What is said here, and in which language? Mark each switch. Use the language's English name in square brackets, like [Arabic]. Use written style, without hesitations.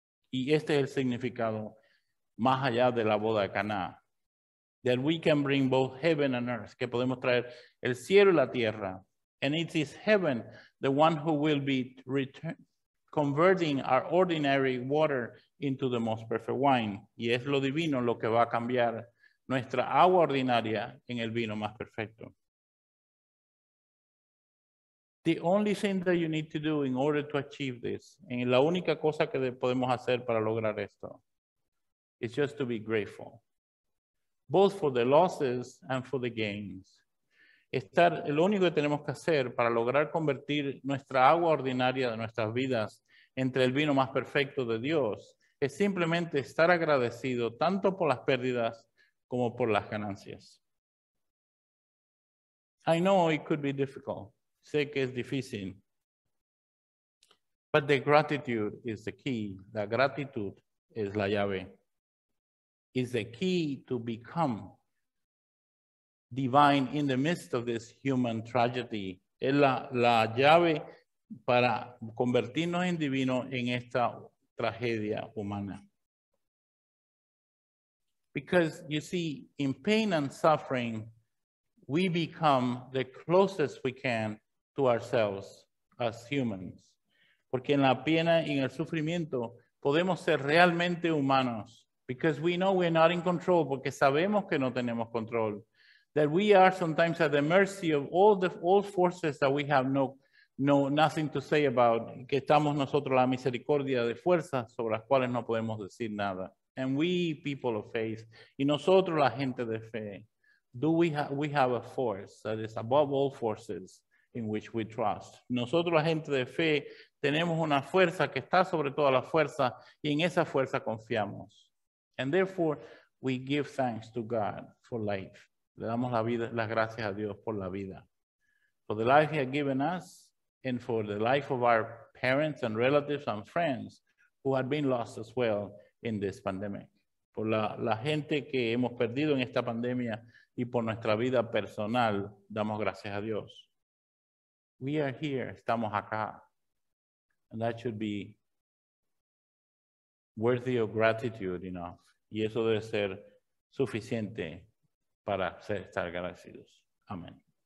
[Spanish] Y este es el significado más allá de la boda de Caná. [English] That we can bring both heaven and earth. [Spanish] Que podemos traer el cielo y la tierra. [English] And it is heaven, the one who will be converting our ordinary water into the most perfect wine. [Spanish] Y es lo divino lo que va a cambiar nuestra agua ordinaria en el vino más perfecto. [English] The only thing that you need to do in order to achieve this, [Spanish] en la única cosa que podemos hacer para lograr esto, [English] is just to be grateful. Both for the losses and for the gains. [Spanish] Lo único que tenemos que hacer para lograr convertir nuestra agua ordinaria de nuestras vidas entre el vino más perfecto de Dios, es simplemente estar agradecido tanto por las pérdidas como por las ganancias. [English] I know it could be difficult. [Spanish] Sé que es difícil. [English] But the gratitude is the key. [Spanish] La gratitud es la llave. [English] It's the key to become divine in the midst of this human tragedy. [Spanish] Es la llave para convertirnos en divino en esta tragedia humana. [English] Because you see, in pain and suffering, we become the closest we can to ourselves as humans. [Spanish] Porque en la pena y en el sufrimiento podemos ser realmente humanos. [English] Because we know we're not in control, [Spanish] porque sabemos que no tenemos control. [English] That we are sometimes at the mercy of all forces that we have nothing to say about. [Spanish] Que estamos nosotros a la misericordia de fuerzas sobre las cuales no podemos decir nada. [English] And we, people of faith, [Spanish] y nosotros la gente de fe, [English] we have a force that is above all forces in which we trust. [Spanish] Nosotros la gente de fe tenemos una fuerza que está sobre toda la fuerza y en esa fuerza confiamos. [English] And therefore, we give thanks to God for life. [Spanish] Le damos la vida, las gracias a Dios por la vida. [English] For the life he has given us and for the life of our parents and relatives and friends who had been lost as well in this pandemic. [Spanish] Por la gente que hemos perdido en esta pandemia y por nuestra vida personal, damos gracias a Dios. [English] We are here, [Spanish] estamos acá. [English] And that should be worthy of gratitude enough. [Spanish] Y eso debe ser suficiente para estar agradecidos. Amén.